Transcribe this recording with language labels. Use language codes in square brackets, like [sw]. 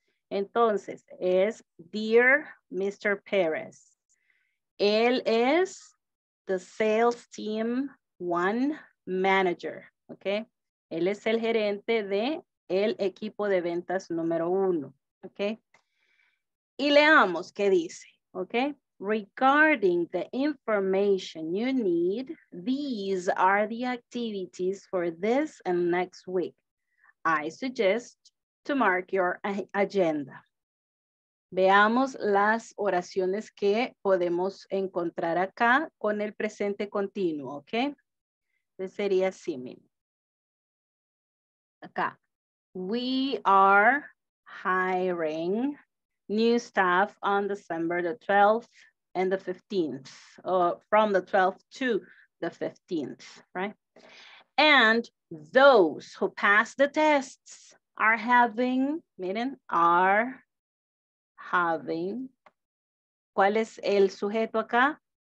[es] Entonces, es dear Mr. Perez. Él es [en] the sales team one manager, ¿ok? [es] Él es el gerente de el equipo de ventas número uno, ¿ok? Y leamos qué dice, ¿ok? [en] Regarding the information you need, these are the activities for this and next week. I suggest to mark your agenda. [es] Veamos las oraciones que podemos encontrar acá con el presente continuo, ¿ok? Entonces sería así, mira. Acá. [en] We are hiring new staff on December the 12th and the 15th, from the 12th to the 15th, right? And those who pass the tests are having, miren, are having, [es] ¿cuál es el sujeto acá?